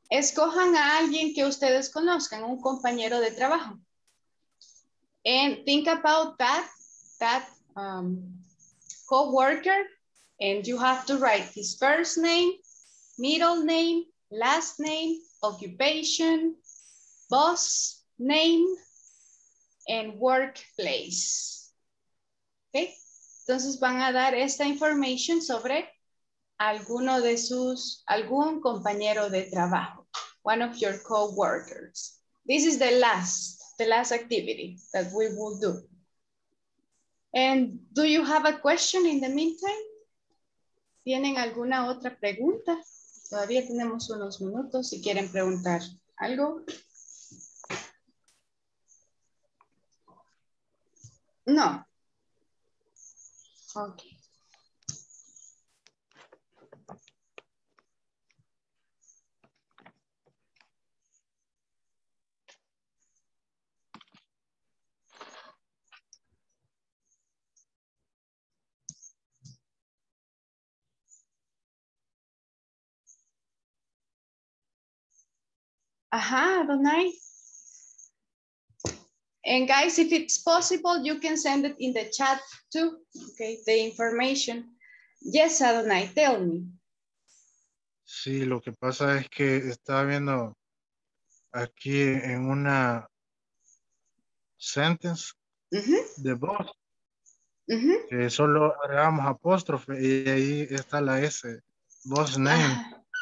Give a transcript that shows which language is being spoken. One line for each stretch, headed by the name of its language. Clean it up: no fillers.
Spanish: Escojan a alguien que ustedes conozcan, un compañero de trabajo.
English: And think about that co-worker, and you have to write his first name, middle name, last name, occupation, boss name, and workplace. Okay?
Spanish: Entonces van a dar esta información sobre alguno de sus, algún compañero de trabajo.
English: One of your co-workers. This is the last activity that we will do. And do you have a question in the meantime?
Spanish: ¿Tienen alguna otra pregunta? Todavía tenemos unos minutos si quieren preguntar algo.
English: No. Okay. Aha, Adonai. And guys, if it's possible, you can send it in the chat too, okay, the information. Yes, Adonai, tell me.
Spanish: Sí, lo que pasa es que estaba viendo aquí en una sentence de voz, que solo agregamos apóstrofe y ahí está la S,
English: boss name.